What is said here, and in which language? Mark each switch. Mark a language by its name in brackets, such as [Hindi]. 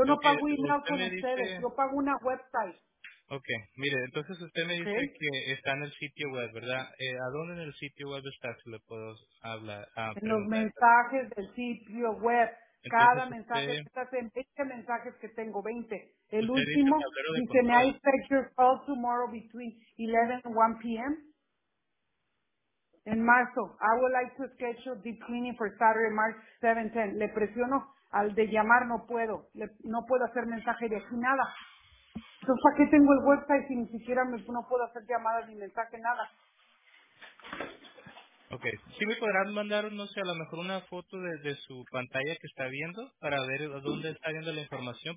[Spanish] Yo no pago email con ustedes. Yo pago una website. Ok. Mire, entonces usted me dice que está en el sitio web, ¿verdad? ¿A dónde en el sitio web está? Si le puedo hablar. En los mensajes del sitio web. Entonces, cada mensaje. Usted, 20 mensajes que tengo, 20. El último, dice, [English] may I expect your call tomorrow between 11 and 1 p.m.? [Spanish] En marzo, [English] I would like to schedule deep cleaning for Saturday, March 7-10. [Spanish] Le presiono al de llamar, no puedo. No puedo hacer mensaje de aquí, nada. Entonces, ¿para qué tengo el website si ni siquiera no puedo hacer llamadas ni mensaje, nada? Ok. ¿Sí me podrán mandar, no sé, a lo mejor una foto de su pantalla que está viendo para ver dónde está viendo la información?